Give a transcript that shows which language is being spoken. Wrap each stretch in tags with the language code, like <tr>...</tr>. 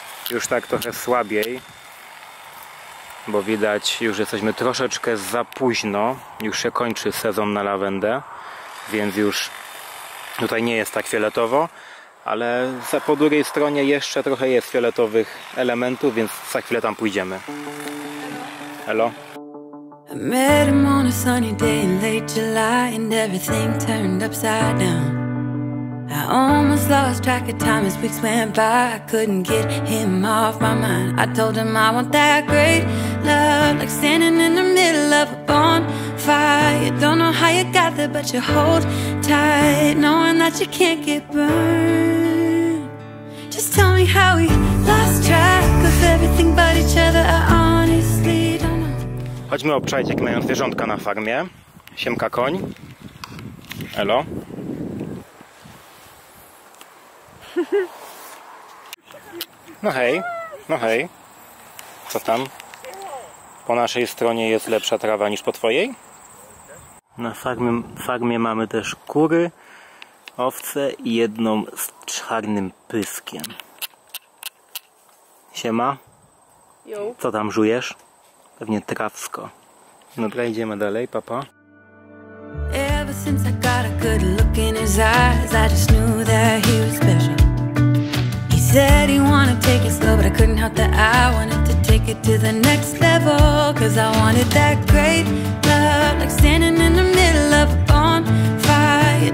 <pl>Już tak trochę słabiej. Bo widać, już jesteśmy troszeczkę za późno. Już się kończy sezon na lawendę. Więc już tutaj nie jest tak fioletowo. Ale po drugiej stronie jeszcze trochę jest fioletowych elementów, więc za chwilę tam pójdziemy.</pl> <en>Hello. I met him on a sunny day in late July and everything turned upside down. I almost lost track of time as weeks went by. I couldn't get him off my mind. I told him I want that great love, like standing in the middle of a bonfire. Don't know how you got there, but you hold tight, knowing that you can't get burned. Just tell me how we lost track of everything but each other. I honestly don't know.</en> <pl>Chodźmy obczaić, jak mają zwierzątka na farmie. Siemka koń. Elo. No hej, no hej. Co tam? Po naszej stronie jest lepsza trawa niż po twojej? Na farmie mamy też kury, owce i jedną z czarnym pyskiem. Siema. Jo. Co tam żujesz? Pewnie trawsko. No dobra, idziemy dalej, papa.</pl> <en>Ever since I got a good look in his eyes, I just knew that he was special. He said he wanted to take it slow, but I couldn't help that I wanted to take it to the next level. Cause I wanted that great love, like standing in the middle of a bonfire.</en>